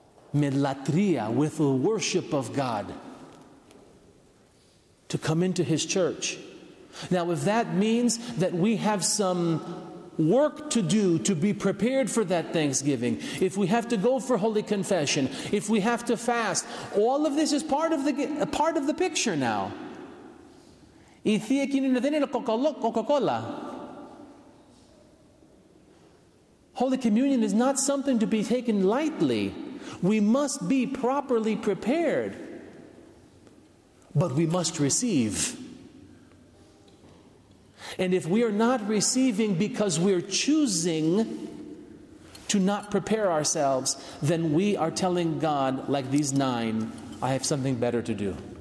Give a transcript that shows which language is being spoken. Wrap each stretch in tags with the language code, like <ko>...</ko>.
<el>Με λατρεία,</el> <en>with the worship of God, to come into His church. Now, if that means that we have some work to do to be prepared for that thanksgiving, if we have to go for holy confession, if we have to fast, all of this is part of the picture now.</en> <el>Η Θεία Κοινωνία δεν είναι κοκακόλα.</el> <en>Holy Communion is not something to be taken lightly. We must be properly prepared. But we must receive. And if we are not receiving because we're choosing to not prepare ourselves, then we are telling God, like these nine, I have something better to do.</en>